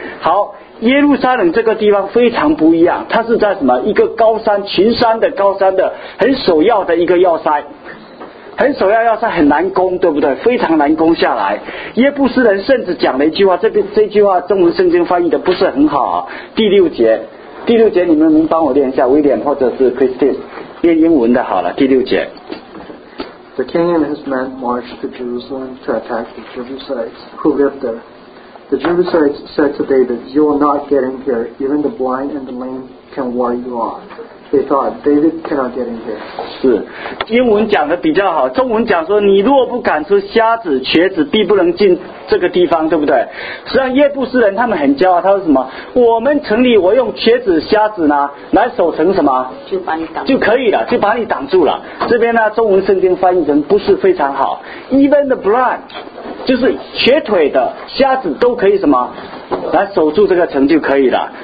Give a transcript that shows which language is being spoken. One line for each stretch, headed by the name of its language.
Chinese: 好，耶路撒冷这个地方非常不一样，它是在什么一个高山，群山的高山的很首要的一个要塞，很首要要塞，很难攻，对不对？非常难攻下来。耶布斯人甚至讲了一句话，这句话中文圣经翻译的不是很好，第六节，你们能帮我念一下，威廉或者是 Christine 念英文的好了。第六节，
English: The king and his men marched to Jerusalem to attack the Jebusites who lived there. The Jebusites said to David, You will not get in here, even the blind and the lame can ward you off. They thought David cannot get in here.
Chinese: 是，英文讲的比较好，中文讲说你若不赶出瞎子瘸子必不能进这个地方，对不对？实际上耶布斯人他们很骄傲，他说什么，我们城里我用瘸子瞎子呢来守城什么，就把你挡就可以了，就把你挡住了。这边呢中文圣经翻译成不是非常好，
English: even the blind
Chinese: 就是瘸腿的瞎子都可以什么来守住这个城就可以了。